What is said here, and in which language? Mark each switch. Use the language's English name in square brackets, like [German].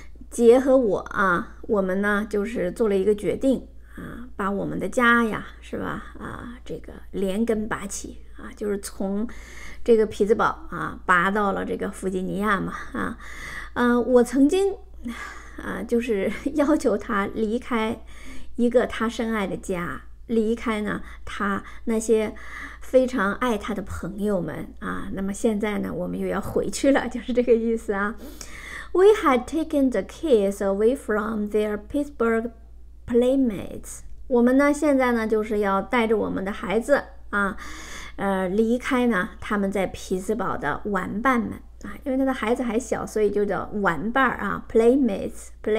[Chinese] 结合我啊，我们呢就是做了一个决定啊，把我们的家呀，是吧啊，这个连根拔起啊，就是从这个匹兹堡啊拔到了这个弗吉尼亚嘛啊，我曾经啊就是要求他离开一个他深爱的家，离开呢他那些非常爱他的朋友们啊，那么现在呢我们又要回去了，就是这个意思啊。 [English] We had taken the kids away from their Pittsburgh playmates. [Chinese] 我们呢，现在呢，就是要带着我们的孩子啊，离开呢他们在匹兹堡的玩伴们啊，因为他的孩子还小，所以就叫玩伴啊 ，playmates。